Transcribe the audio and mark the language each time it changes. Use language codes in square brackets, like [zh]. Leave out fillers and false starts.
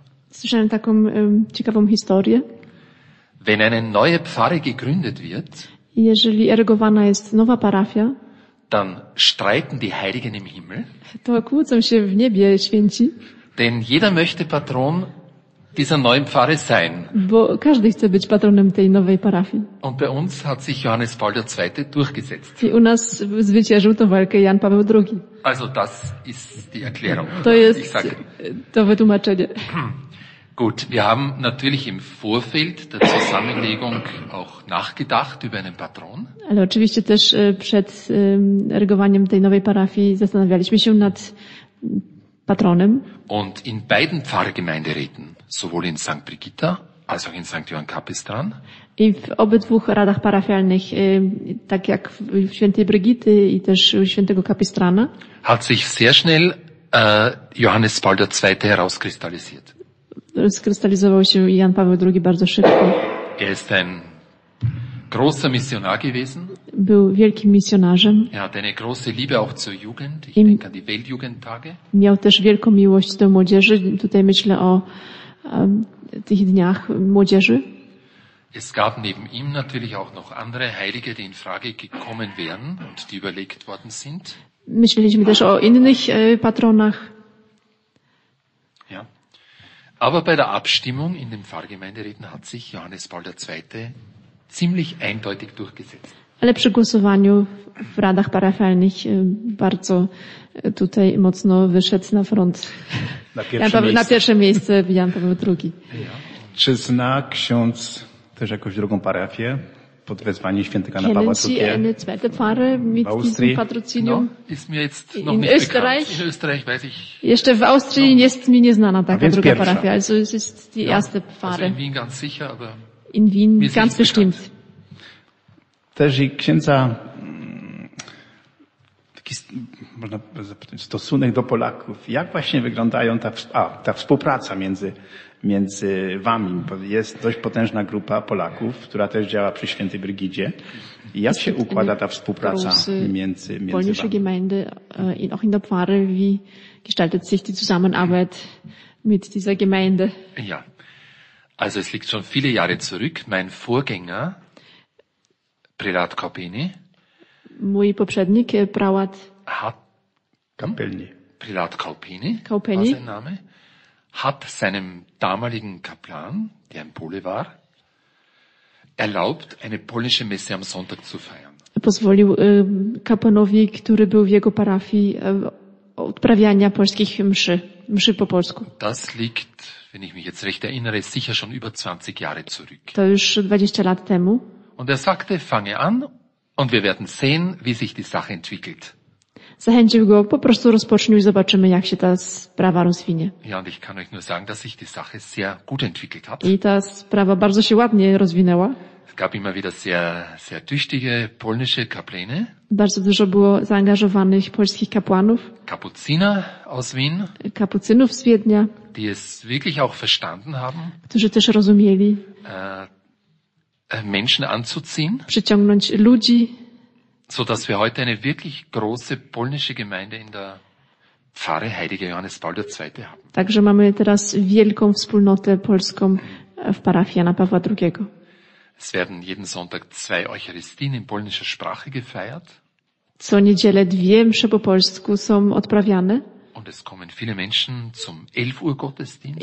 [pl] Słyszałem taką ciekawą historię. [de] Wenn eine neue Pfarre gegründet wird, [pl] jeżeli erygowana jest nowa parafia, [de] dann streiten die Heiligen im Himmel, [pl] to kłócą się w niebie święci, [de] denn jeder möchte Patron dieser neuen Pfarre sein. [pl] Bo każdy chce być patronem tej nowej parafii. [de] Und bei uns hat sich Johannes Paul II. Durchgesetzt. [pl] I u nas zwyciężył tę walkę Jan Paweł II. [de] Also das ist die Erklärung. [pl] To jest to wytłumaczenie. [de] Gut, wir haben natürlich im Vorfeld der Zusammenlegung auch nachgedacht über einen Patron. [pl] Ale oczywiście też przed erygowaniem tej nowej parafii zastanawialiśmy się nad patronem. [de] Und in beiden Pfarrgemeinderäten, sowohl in St. Brigitta als auch in St. Johann Kapistran. [pl] I w obydwóch radach parafialnych, tak jak w świętej Brigitty i też u świętego Kapistrana, [de] hat sich sehr schnell Johannes Paul II. Herauskrystallisiert. [pl] Rozkrystalizował się Jan Paweł II bardzo szybko. [de] Er ist ein großer Missionar gewesen. [pl] Był wielkim misjonarzem. [de] Er hat eine große Liebe auch zur Jugend. Ich denke an die Weltjugendtage. [pl] Miał też wielką miłość do młodzieży. Tutaj myślę o tych dniach młodzieży. [de] Es gab neben ihm natürlich auch noch andere Heilige, die in Frage gekommen wären und die überlegt worden sind. [pl] Myśleliśmy też o innych patronach. [de] Aber bei der Abstimmung in den Pfarrgemeinderäten hat sich Johannes Paul II. Ziemlich eindeutig durchgesetzt. [pl] Ale przy głosowaniu w radach parafialnych bardzo tutaj mocno wyszedł na front. Na pierwsze miejsce Jan Paweł II. Czy zna ksiądz też jakąś drugą parafię pod wezwaniem świętego Jana Pawła II? [de] Eine zweite Pfarre mit diesem Patrozinium? Ist mir jetzt noch nicht Österreich? Bekannt. In Österreich weiß ich. [pl] Jeszcze w Austrii no. Jest mi nieznana taka druga parafia. [de] Also es ist die erste Pfarre. Also in Wien ganz sicher, aber in Wien ganz bestimmt. [pl] Też i księdza, taki można zapytać, stosunek do Polaków. Jak właśnie wyglądają ta współpraca między wami? Jest dość potężna grupa Polaków, która też działa przy świętej Brygidzie. Jak się układa ta współpraca między wami? [de] Polnische Gemeinde, auch in der Pfarre, wie gestaltet sich die Zusammenarbeit mit dieser Gemeinde? Ja, also es liegt schon viele Jahre zurück. Mein Vorgänger, Prelat Kopini. [pl] Mój poprzednik, prałat. Kapelni. [de] Prelat Kopini. Kopelni. Sein Name. Hat seinem damaligen Kaplan, der ein Pole war, erlaubt, eine polnische Messe am Sonntag zu feiern. [pl] Pozwolił kapłanowi, który był w jego parafii, odprawiania polskich mszy po polsku. [de] Das liegt, wenn ich mich jetzt recht erinnere, sicher schon über 20 Jahre zurück. [pl] To już 20 lat temu. [de] Und er sagte, fange an und wir werden sehen, wie sich die Sache entwickelt. [pl] Zachęcił go, po prostu rozpocznij, zobaczymy, jak się ta sprawa rozwinie. [de] Ja, und ich kann euch nur sagen, dass sich die Sache sehr gut entwickelt hat. [pl] I ta sprawa bardzo się ładnie rozwinęła. [de] Es gab immer wieder sehr, sehr tüchtige polnische Kapläne. [pl] Bardzo dużo było zaangażowanych polskich kapłanów. [de] Kapuziner aus Wien. [pl] Kapucynów z Wiednia. [de] Die es wirklich auch verstanden haben. [pl] Którzy też rozumieli. [de] Menschen anzuziehen, [pl] przyciągnąć ludzi, [de] so dass wir heute eine wirklich große polnische Gemeinde in der Pfarre Heiliger Johannes Paul II. Haben. [pl] Także mamy teraz wielką wspólnotę polską w parafii Jana Pawła II. [de] Es werden jeden Sonntag zwei Eucharistien in polnischer Sprache gefeiert. [pl] Co niedzielę dwie msze po polsku są odprawiane. [de] Und es kommen viele Menschen zum 11 Uhr Gottesdienst.